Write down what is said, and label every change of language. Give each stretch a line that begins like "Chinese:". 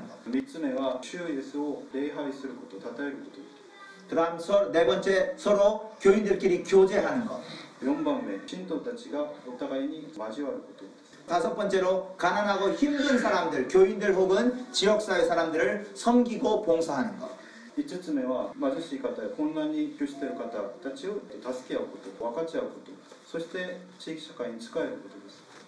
Japanese: 3つ目は주예수を礼拝すること讃えること
Korean: 그다음네번째서로교인들끼리교제하는것
Japanese: 4번째신도たちがお互いに交わること
Korean: 다섯번째로가난하고힘든사람들교인들혹은지역사회사람들을섬기고봉사하는것
Japanese: 5つ目は貧しい方や困難に窮している方たちを助け合うこと、分かち合うこと、そして地域社会に仕えることです。